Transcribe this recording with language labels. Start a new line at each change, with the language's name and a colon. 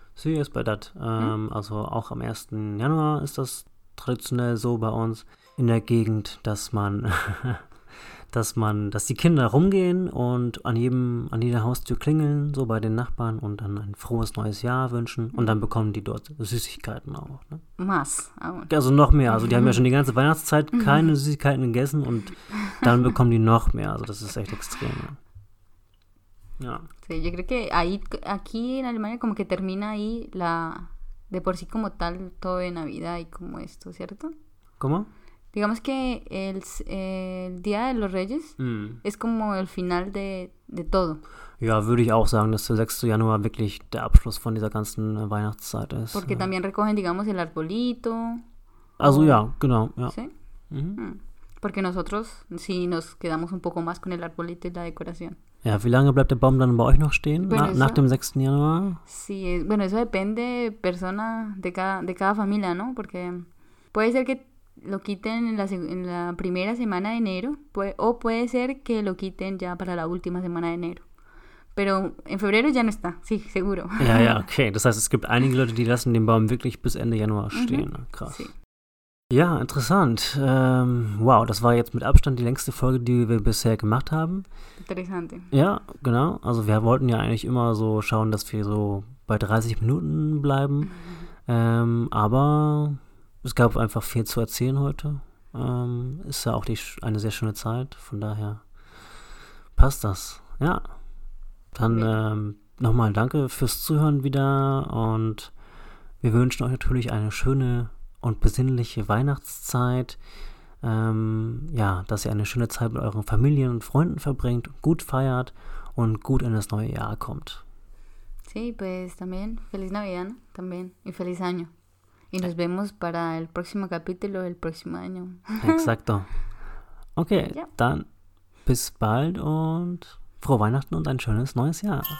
Spanish: Sí, es verdad.
German: Also auch am 1. Januar ist das traditionell so bei uns in der Gegend, dass man dass die Kinder rumgehen und an jeder Haustür klingeln, so bei den Nachbarn, und dann ein frohes neues Jahr wünschen. Und dann bekommen die dort Süßigkeiten auch. Ne? Mass. Oh. Also noch mehr. Also die haben ja schon die ganze Weihnachtszeit keine Süßigkeiten gegessen, und dann bekommen die noch mehr. Also das ist echt extrem. Ne? Ja.
Spanish: Sí, yo creo que ahí, aquí en Alemania como que termina ahí la de por sí como tal todo de Navidad y como esto, ¿cierto? ¿Cómo? Digamos que el Día de los Reyes es como el final de todo.
German: Ja, würde ich auch sagen, dass der 6. Januar wirklich der Abschluss von dieser ganzen Weihnachtszeit ist.
Spanish: Porque también recogen, digamos, el arbolito.
German: Also ja, genau, ja.
Spanish: ¿Sí? Porque nosotros sí nos quedamos un poco más con el arbolito y la decoración.
German: Ja, wie lange bleibt der Baum dann bei euch noch stehen, nach dem 6. Januar?
Spanish: Sí, bueno, eso depende persona de cada familia, ¿no? Porque puede ser que lo quiten en la primera semana de enero, o puede ser que lo quiten ya para la última semana de enero. Pero en febrero ya no está, sí, seguro.
German: Ja, ja, okay. Das heißt, es gibt einige Leute, die lassen den Baum wirklich bis Ende Januar stehen. Mhm. Krass. Sí. Ja, interessant. Wow, das war jetzt mit Abstand die längste Folge, die wir bisher gemacht haben. Interessante. Ja, genau. Also wir wollten ja eigentlich immer so schauen, dass wir so bei 30 Minuten bleiben. Mhm. Aber es gab einfach viel zu erzählen heute. Ist ja auch eine sehr schöne Zeit. Von daher passt das. Ja. Dann nochmal danke fürs Zuhören wieder. Und wir wünschen euch natürlich eine schöne und besinnliche Weihnachtszeit. Ja, dass ihr eine schöne Zeit mit euren Familien und Freunden verbringt, gut feiert und gut in das neue Jahr kommt.
Spanish: Sí, pues también. Feliz Navidad, ¿no? También. Y feliz año. Y nos vemos para el próximo capítulo el próximo año.
German: Exacto. Okay, ja. Dann bis bald und frohe Weihnachten und ein schönes neues Jahr.